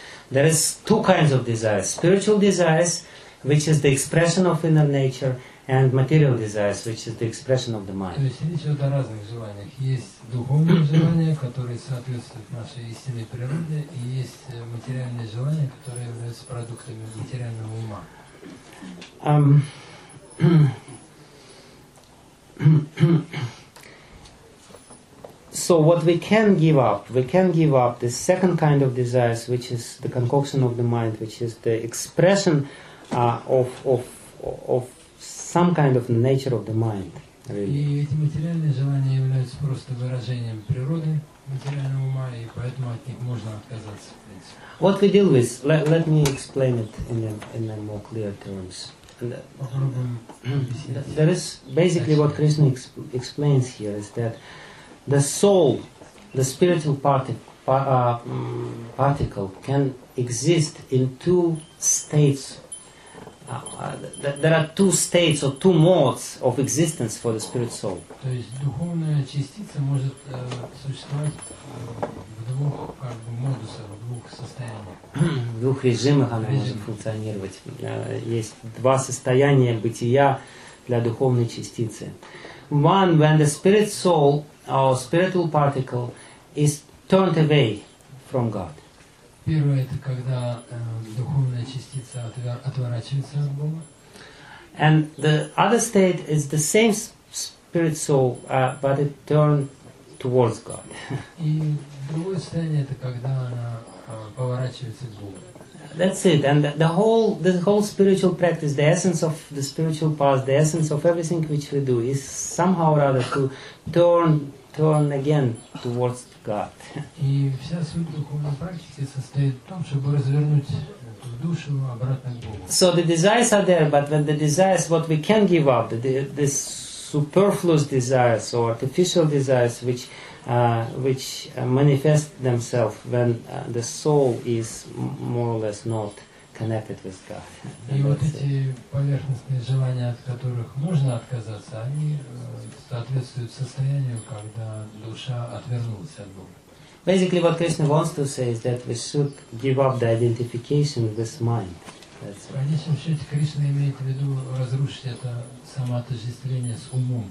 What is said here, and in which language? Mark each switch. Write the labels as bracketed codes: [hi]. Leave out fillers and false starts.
[en] There is two kinds of desires: spiritual desires, which is the expression of inner nature, and material desires, which is the expression of the mind. [ru] То есть речь идет о разных желаниях. Есть духовные желания, которые соответствуют нашей истинной природе, и есть материальные желания, которые являются продуктами материального ума. [en] So what we can give up? We can give up the second kind of desires, which is the concoction of the mind, which is the expression of some kind of nature of the mind. [ru] И эти материальные желания являются просто выражением природы материального ума, и поэтому от них можно отказаться, в принципе. [en] What we deal with? Let me explain it in a more clear terms. There is basically what Krishna explains here is that the soul, the spiritual particle, can exist in two states. There are two states or two modes of existence for the spirit soul. [ru] То есть духовная частица может существовать в двух модусах, в двух состояниях. В двух режимах она может функционировать. Есть два состояния бытия для духовной частицы. [en] One, when the spirit soul, our spiritual particle, is turned away from God. [ru] Первое — это когда духовная частица отворачивается от Бога. [en] And the other state is the same spirit soul, but it turned towards God. [ru] И другое состояние — это когда она поворачивается к Богу. [en] That's it. And the whole spiritual practice, the essence of the spiritual path, the essence of everything which we do, is somehow or other to turn again towards God. [ru] И вся суть духовной практики состоит в том, чтобы развернуть душу обратно к Богу. [en] So the desires are there, but when the desires, what we can give up, the superfluous desires or artificial desires which manifest themselves when the soul is more or less not connected with God. [ru] И вот эти поверхностные желания, от которых можно отказаться, они соответствуют состоянию, когда душа отвернулась от Бога. [en] Basically, what Krishna wants to say is that we should give up the identification with mind. [ru] В конечном счете, Кришна имеет в виду разрушить это самоотождествление с умом.